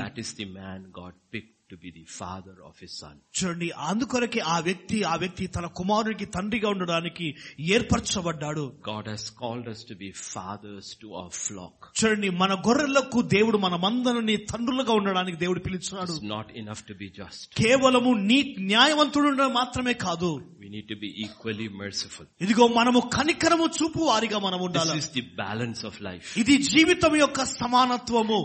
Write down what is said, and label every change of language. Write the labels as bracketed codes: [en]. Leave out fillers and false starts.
[en] That is the man God picked to be the father of his son. [te] చూడండి అందుకొరకే ఆ వ్యక్తి తన కుమారునికి తండ్రిగా ఉండడానికి ఏర్పరచబడ్డాడు. [en] God has called us to be fathers to our flock. [te] చూడండి మన గొర్రెలకు దేవుడు మనమందరిని తండ్రులుగా ఉండడానికి దేవుడు పిలిచాడు. [en] It's not enough to be just. [te] కేవలము న్యాయవంతుడు మాత్రమే కాదు. [en] We need to be equally merciful. [te] ఇదిగో మనము కనికరము చూపు వారిగా మనం ఉండాలి. [en] This is the balance of life. [te] ఇది జీవితం యొక్క సమానత్వము.